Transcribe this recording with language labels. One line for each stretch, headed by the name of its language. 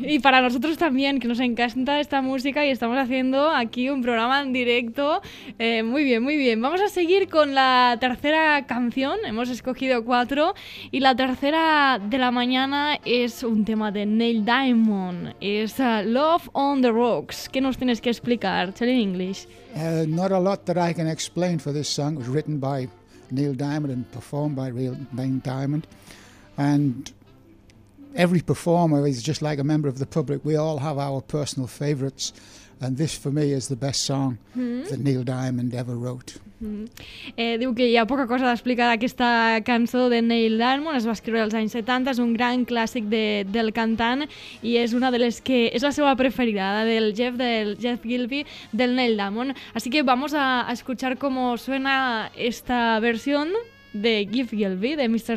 Spanish: Y para nosotros también, que nos encanta esta música y estamos haciendo aquí un programa en directo. Muy bien, muy bien. Vamos a seguir con la tercera canción. Hemos escogido 4. Y la tercera de la mañana es un tema de Neil Diamond. Es Love on the Rocks. ¿Qué nos tienes que explicar?
English: Tell in English. Not a lot that I can explain for this song. It was written by Neil Diamond and performed by Neil Diamond. And every performer is just like a member of the public. We all have our personal favourites. And this, for me, is the best song that Neil Diamond ever wrote.
Catalan: Diu que hi ha poca cosa d'explicar d'aquesta cançó de Neil Diamond. Es va escriure als anys 70, és un gran clàssic del cantant i és una de les que és la seva preferida, del Jeff Gilby, del Neil Diamond.
Spanish: Así que vamos a escuchar cómo suena esta versión de Jeff Gilby, de Mr.